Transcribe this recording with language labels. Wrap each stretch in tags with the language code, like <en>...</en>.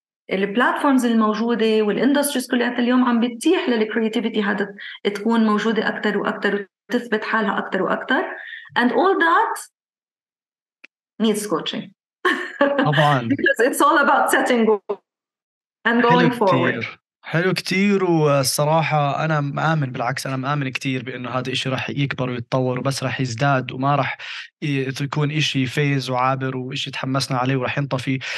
<ar>والبلاتفورمز الموجودة والإندستريز كلها اليوم عم بتتيح للكرياتيفيتي هذا تكون موجودة أكتر وأكتر وتثبت حالها أكتر وأكتر.</ar> <en>And all that needs coaching.</en> <ar>طبعاً.</ar> <en>Because it's all about setting goals and going forward.</en> <ar>حلو كتير. والصراحة أنا مآمن, بالعكس أنا مآمن كتير بأنه هذا إشي رح يكبر ويتطور وبس رح يزداد وما رح يكون إشي فيز وعابر وإشي تحمسنا عليه ورح ينطفي.</ar>